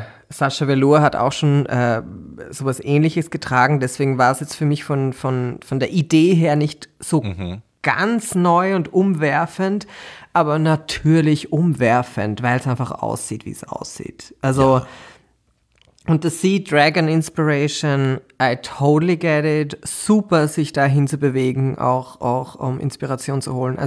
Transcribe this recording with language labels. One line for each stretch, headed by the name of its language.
German: Sasha Velour hat auch schon sowas Ähnliches getragen. Deswegen war es jetzt für mich von der Idee her nicht so ganz neu und umwerfend, aber natürlich umwerfend, weil es einfach aussieht, wie es aussieht. Also, und
English: the Sea Dragon Inspiration, I totally get it.
German: Super, sich dahin zu bewegen, auch um Inspiration zu holen.